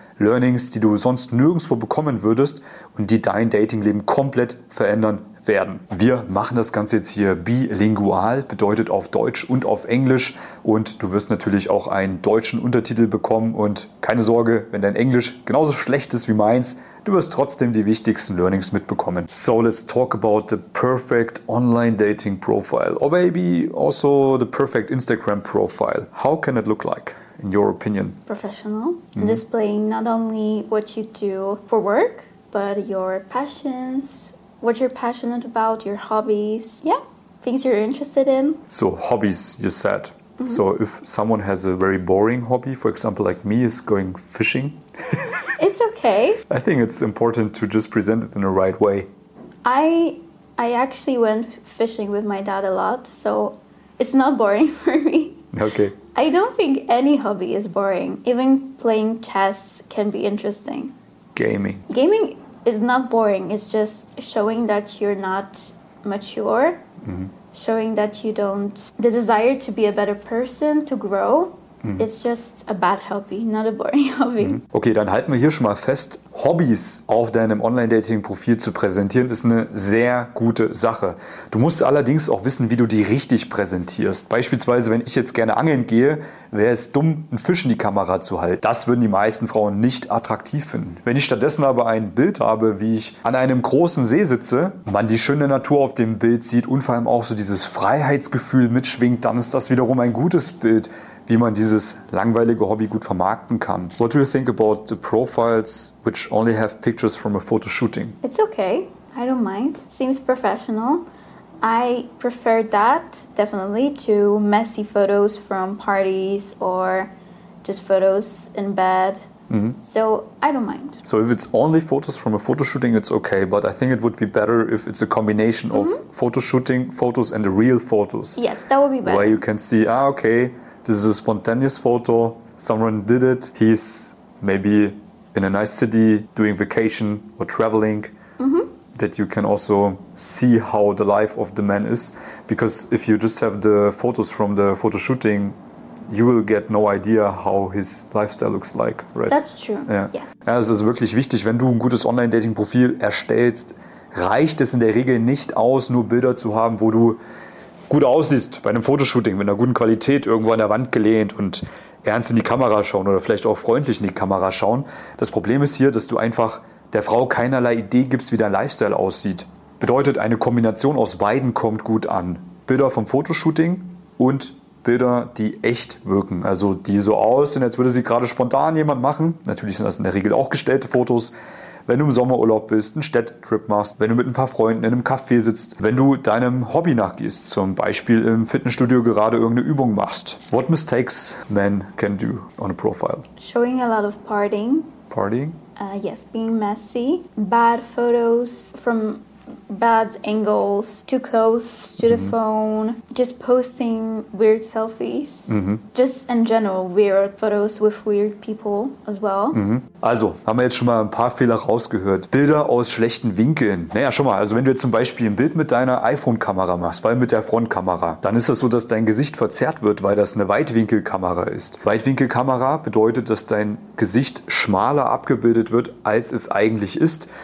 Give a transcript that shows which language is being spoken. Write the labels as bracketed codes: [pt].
[de] Learnings, die du sonst nirgendwo bekommen würdest und die dein Datingleben komplett verändern werden. Wir machen das Ganze jetzt hier bilingual, bedeutet auf Deutsch und auf Englisch. Und du wirst natürlich auch einen deutschen Untertitel bekommen. Und keine Sorge, wenn dein Englisch genauso schlecht ist wie meins, du wirst trotzdem die wichtigsten Learnings mitbekommen. [en] So, let's talk about the perfect online dating profile. Or maybe also the perfect Instagram profile. How can it look like, in your opinion? Professional. Mm-hmm. Displaying not only what you do for work, but your passions, what you're passionate about, your hobbies. Yeah, things you're interested in. So, hobbies, you said. Mm-hmm. So, if someone has a very boring hobby, for example, like me, is going fishing. It's okay. I think it's important to just present it in the right way. I actually went fishing with my dad a lot, so it's not boring for me. Okay. I don't think any hobby is boring. Even playing chess can be interesting. Gaming. Gaming is not boring. It's just showing that you're not mature. Mm-hmm. Showing that you don't... The desire to be a better person, to grow. Mm-hmm. It's just a bad hobby, not a boring hobby. Mm-hmm. [de] Okay, dann halten wir hier schon mal fest. Hobbys auf deinem Online-Dating-Profil zu präsentieren, ist eine sehr gute Sache. Du musst allerdings auch wissen, wie du die richtig präsentierst. Beispielsweise, wenn ich jetzt gerne angeln gehe, wäre es dumm, einen Fisch in die Kamera zu halten. Das würden die meisten Frauen nicht attraktiv finden. Wenn ich stattdessen aber ein Bild habe, wie ich an einem großen See sitze, man die schöne Natur auf dem Bild sieht und vor allem auch so dieses Freiheitsgefühl mitschwingt, dann ist das wiederum ein gutes Bild, wie man dieses langweilige Hobby gut vermarkten kann. [en] What do you think about the profiles which only have pictures from a photo shooting? It's okay. I don't mind. Seems professional. I prefer that, definitely, to messy photos from parties or just photos in bed. Mm-hmm. So, I don't mind. So, if it's only photos from a photo shooting, it's okay. But I think it would be better if it's a combination mm-hmm. of photo shooting photos and the real photos. Yes, that would be better. Where you can see, okay, this is a spontaneous photo. Someone did it. He's maybe in a nice city doing vacation or traveling. Mm-hmm. That you can also see how the life of the man is. Because if you just have the photos from the photo shooting, you will get no idea how his lifestyle looks like, right? That's true, yeah. Yes. [de] Es ist wirklich wichtig, wenn du ein gutes Online-Dating-Profil erstellst, reicht es in der Regel nicht aus, nur Bilder zu haben, wo du gut aussiehst bei einem Fotoshooting, mit einer guten Qualität, irgendwo an der Wand gelehnt und ernst in die Kamera schauen oder vielleicht auch freundlich in die Kamera schauen. Das Problem ist hier, dass du einfach der Frau keinerlei Idee gibst, wie dein Lifestyle aussieht. Bedeutet, eine Kombination aus beiden kommt gut an. Bilder vom Fotoshooting und Bilder, die echt wirken. Also die so aussehen, als würde sie gerade spontan jemand machen. Natürlich sind das in der Regel auch gestellte Fotos. wenn du im Sommerurlaub bist, einen Städtetrip machst, wenn du mit ein paar Freunden in einem Café sitzt, wenn du deinem Hobby nachgehst, zum Beispiel im Fitnessstudio gerade irgendeine Übung machst. [en] What mistakes men can do on a profile? Showing a lot of partying. Partying? Yes, being messy. Bad photos from bad angles, too close to the phone, just posting weird selfies, just in general weird photos with weird people as well. [de] Also, haben wir jetzt schon mal ein paar Fehler rausgehört. Bilder aus schlechten Winkeln. Naja, schon mal, also wenn du jetzt zum Beispiel ein Bild mit deiner iPhone-Kamera machst, weil mit der Frontkamera, dann ist das so, dass dein Gesicht verzerrt wird, weil das eine Weitwinkelkamera ist. Weitwinkelkamera bedeutet, dass dein Gesicht schmaler abgebildet wird, als es eigentlich ist.